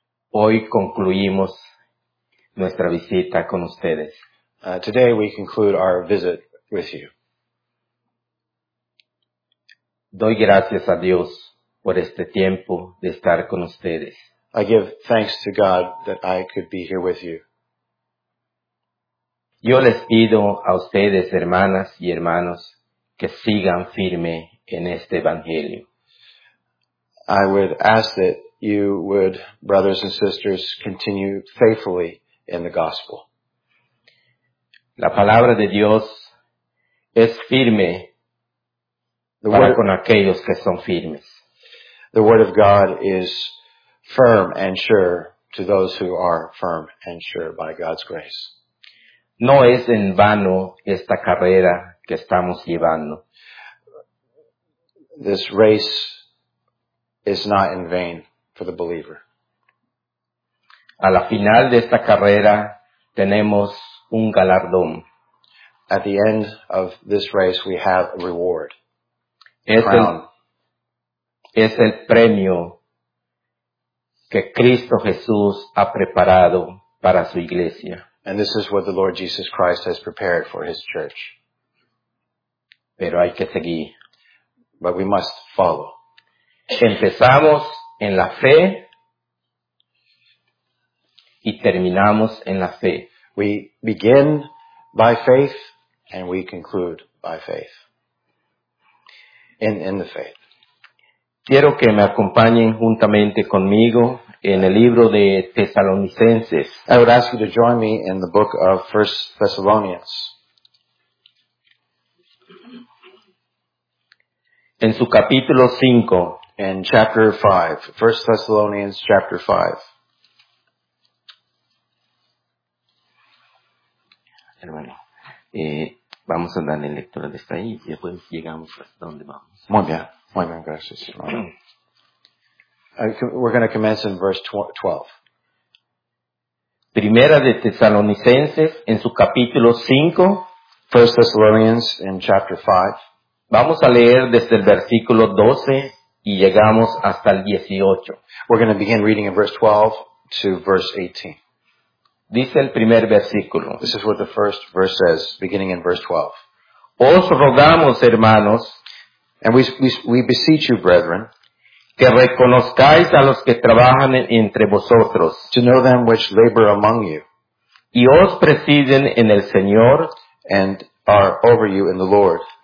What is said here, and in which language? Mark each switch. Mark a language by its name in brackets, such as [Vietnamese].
[Spanish] Hoy concluimos nuestra visita con ustedes. [English] Today we conclude our visit with you. [Spanish] Doy gracias a Dios por este tiempo de estar con ustedes. [English] I give thanks to God that I could be here with you. [Spanish] Yo les pido a ustedes, hermanas y hermanos, que sigan firme en este evangelio. [English] I would ask that you would, brothers and sisters, continue faithfully in the gospel. [Spanish] La palabra de Dios es firme para con aquellos que son firmes. [English] The word of God is firm and sure to those who are firm and sure by God's grace. [Spanish] No es en vano esta carrera que estamos llevando. [English] This race is not in vain for the believer. [Spanish] A la final de esta carrera tenemos un galardón. [English] At the end of this race we have a reward. [Spanish] Es el premio que Cristo Jesús ha preparado para su iglesia. [English] And this is what the Lord Jesus Christ has prepared for his church. [Spanish] Pero hay que seguir. [English] But we must follow. [Spanish] Empezamos en la fe y terminamos en la fe. [English] We begin by faith and we conclude by faith. In the faith. [Spanish] Quiero que me acompañen juntamente conmigo en el libro de Tesalonicenses. [English] I would ask you to join me in the book of 1 Thessalonians. [Spanish] En su capítulo 5. [English] In chapter 5. 1 Thessalonians chapter 5. [Spanish] Hermano, vamos a darle lectura desde ahí y después llegamos a donde vamos. Muy bien, gracias. [English] We're going to commence in verse 12. [Spanish] Primera de Tesalonicenses en su capítulo 5. [English] 1 Thessalonians in chapter 5. [Spanish] Vamos a leer desde el versículo 12 y llegamos hasta el 18. [English] We're going to begin reading in verse 12 to verse 18. [Spanish] Dice el primer versículo. [English] This is what the first verse says, beginning in verse 12. [Spanish] Os rogamos, hermanos, [English] and we beseech you, brethren, [Spanish] que reconozcáis a los que trabajan entre vosotros, [English] to know them which labor among you, [Spanish] y os presiden en el Señor, [English] and are over you in the Lord,